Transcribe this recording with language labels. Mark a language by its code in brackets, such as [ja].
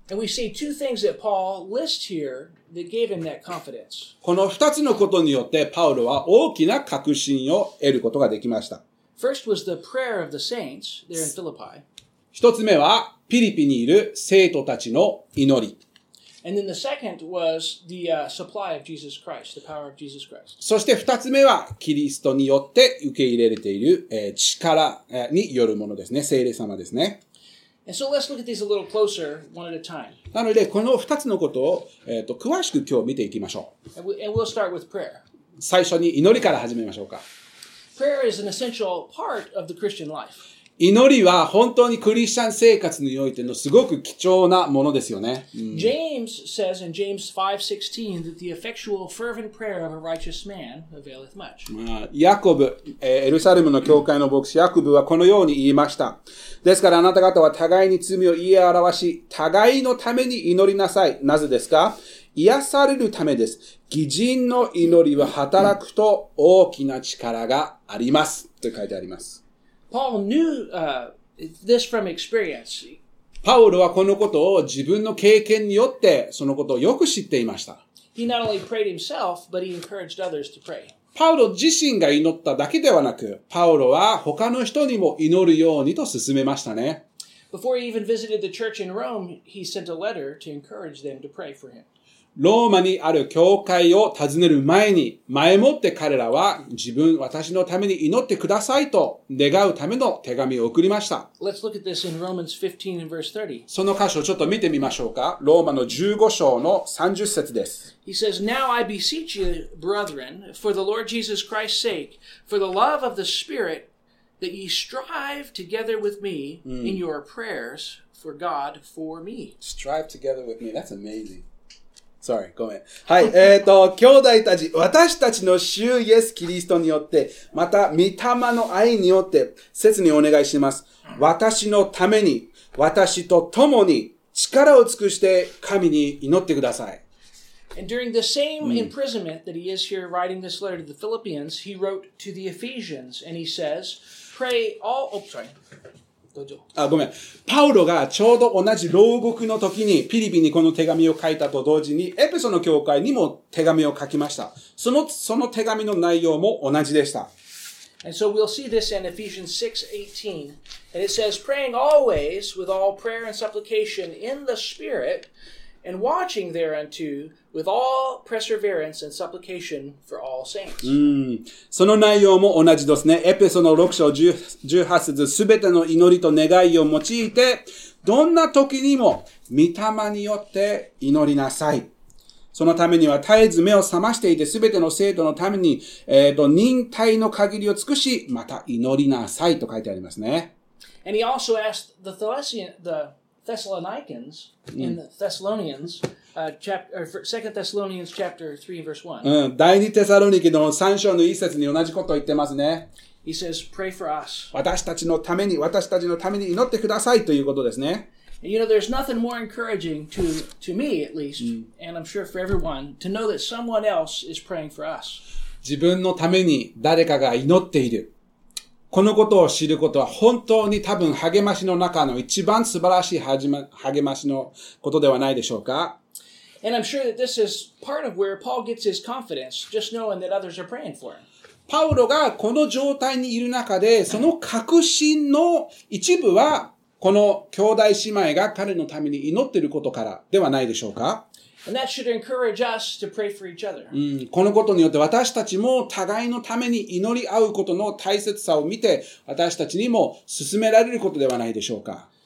[en] And we see two things that Paul lists here that gave him that confidence. [ja] この二つのことによって、パウロは大きな確信を得ることができました。 [en] First was the prayer of the saints there in Philippi. [ja] 一つ目は、ピリピにいる生徒たちの祈り。 [en] And then the second was the supply of Jesus Christ, the power of Jesus Christ. [ja] そして二つ目は、キリストによって受け入れられている、力によるものですね。聖霊様ですね。 [en] And so let's look at these a little closer, one at a time. [ja] なので、この二つのことを、詳しく今日見ていきましょう。 [en] And we'll start with prayer. [ja] 最初に祈りから始めましょうか。 [en] Prayer is an essential part of the Christian life. [ja] 祈りは本当にクリスチャン生活においてのすごく貴重なものですよね。 [en] James says in James 5:16 that the effectual fervent prayer of a righteous man availeth much. [ja] ヤコブ、エルサレムの教会の牧師ヤコブはこのように言いました。ですからあなた方は互いに罪を言い表し、互いのために祈りなさい。なぜですか？癒されるためです。義人の祈りは働くと大きな力があります。と書いてあります。 [en] Paul knew this from experience. [ja] パウロはこのことを自分の経験によってそのことをよく知っていました。 [en] He not only prayed himself, but he encouraged others to pray. [ja] パウロ自身が祈っただけではなく、パウロは他の人にも祈るようにと勧めましたね。 [en] Before he even visited the church in Rome, he sent a letter to encourage them to pray for him. [ja] ローマにある教会を訪ねる前に、前もって彼らは自分、私のために祈ってくださいと願うための手紙を送りました。 [en] Let's look at this in Romans 15 and verse 30. [ja] その箇所をちょっと見てみましょうか。ローマの15章の30節です。 [en] He says, Now I beseech you, brethren, for the Lord Jesus Christ's sake, for the love of the Spirit, that ye strive together with me in your prayers for God for me. Strive together with me. That's amazing. Sorry, [ja] ごめん。はい、兄弟たち、私たちの主イエス・キリストによって、また御霊の愛によって、切にお願いします。私のために、私と共に、力を尽くして神に祈ってください。 [en] And during the same imprisonment that he is here writing this letter to the Philippians, he wrote to the Ephesians, and he says, pray all, oh, sorry. [ja] あ、ごめん。パウロがちょうど同じ牢獄の時にピリピにこの手紙を書いたと同時にエペソの教会にも手紙を書きました。その手紙の内容も同じでした。 [en] And so we'll see this in Ephesians 6:18. And it says, praying always with all prayer and supplication in the Spirit, and watching thereunto with all perseverance and supplication for all saints. [ja] その内容も同じですね。エペソの6章18節、すべての祈りと願いを用いて、どんな時にも御霊によって祈りなさい。そのためには絶えず目を覚ましていて、すべての聖徒のために、忍耐の限りを尽くし、また祈りなさいと書いてありますね。 [en] And he also asked the Thessalonians, Thessalonians in Thessalonians, chapter 2 Thessalonians chapter 3 verse 1. [ja] うん、第二テサロニケの3章の1節に同じことを言ってますね。 [en] He says, pray for us. [ja] 私たちのために、私たちのために祈ってくださいということですね。 [en] You know, there's nothing more encouraging to me, at least, and I'm sure for everyone, to know that someone else is praying for us. [ja] 自分のために誰かが祈っている。このことを知ることは本当に多分励ましの中の一番素晴らしい励ましのことではないでしょうか。 [en] And I'm sure that this is part of where Paul gets his confidence, just knowing that others are praying for him. [ja] パウロがこの状態にいる中で、その確信の一部は、この兄弟姉妹が彼のために祈っていることからではないでしょうか。 [en] And that should encourage us to pray for each other. [ja] このことによって私たちも互いのために祈り合うことの大切さを見て、私たちにも進められることではないでしょうか。